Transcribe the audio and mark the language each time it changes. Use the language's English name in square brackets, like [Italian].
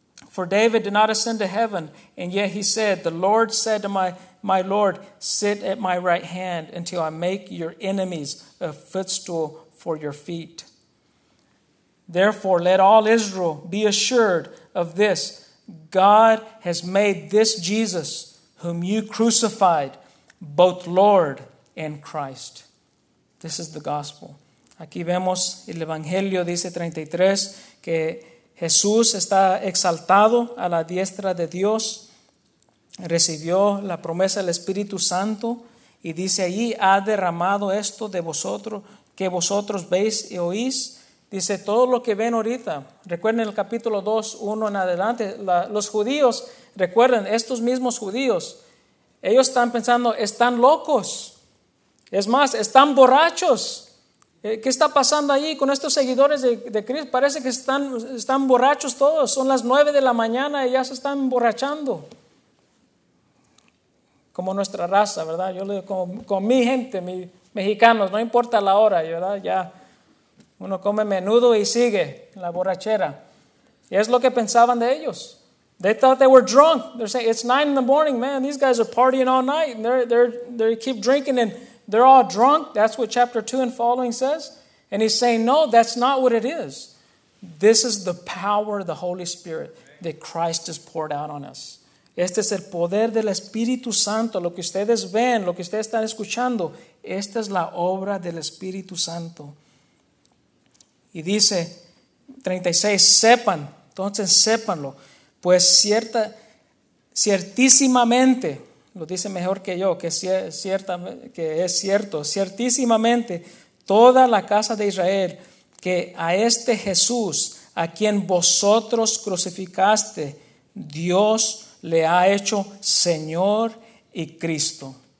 [English] For David did not ascend to heaven, and yet he said, the Lord said to my Lord, sit at my right hand until I make your enemies a footstool for your feet. Therefore, let all Israel be assured of this. God has made this Jesus, whom you crucified, both Lord and Christ. This is the gospel. [Spanish] Aquí vemos el Evangelio, dice 33, que Jesús está exaltado a la diestra de Dios, recibió la promesa del Espíritu Santo, y dice allí, ha derramado esto de vosotros, que vosotros veis y oís. Dice, todo lo que ven ahorita, recuerden el capítulo 2, 1 en adelante, los judíos, recuerden, estos mismos judíos, ellos están pensando, están locos. Es más, están borrachos. ¿Qué está pasando ahí con estos seguidores de Cristo? Parece que están borrachos todos. Son las 9 de la mañana y ya se están emborrachando. Como nuestra raza, ¿verdad? Yo le digo, con mi gente, mis mexicanos, no importa la hora, ¿verdad? Ya uno come menudo y sigue en la borrachera. Y es lo que pensaban de ellos. [English] They thought they were drunk. They're saying, it's 9 in the morning, man. These guys are partying all night. And they keep drinking and they're all drunk. That's what chapter 2 and following says. And he's saying, no, that's not what it is. This is the power of the Holy Spirit that Christ has poured out on us. [Spanish] Este es el poder del Espíritu Santo. Lo que ustedes ven, lo que ustedes están escuchando, esta es la obra del Espíritu Santo. Y dice, 36, sepan, entonces sépanlo. Pues ciertísimamente, lo dice mejor que yo, ciertísimamente, toda la casa de Israel, que a este Jesús, a quien vosotros crucificaste, Dios le ha hecho Señor y Cristo.